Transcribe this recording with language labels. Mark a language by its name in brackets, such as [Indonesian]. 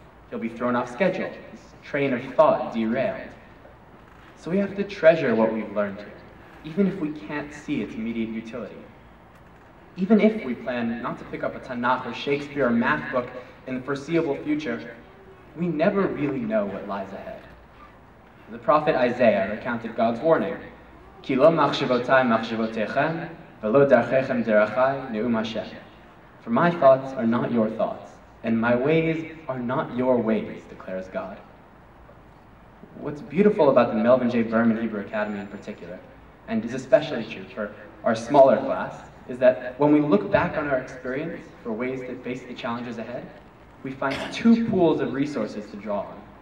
[English] He'll be thrown off schedule, his train of thought derailed. So we have to treasure what we've learned here, even if we can't see its immediate utility. Even if we plan not to pick up a Tanakh or Shakespeare or math book in the foreseeable future, we never really know what lies ahead. The prophet Isaiah recounted God's warning, [Hebrew] כי לא מחשבותיי מחשבותיכם, ולא דרכיכם דרכי, נאום השם. [English] For my thoughts are not your thoughts, and my ways are not your ways, declares God. What's beautiful about the Melvin J. Berman Hebrew Academy in particular, and is especially true for our smaller class, is that when we look back on our experience for ways to face the challenges ahead, we find two pools of resources to draw on.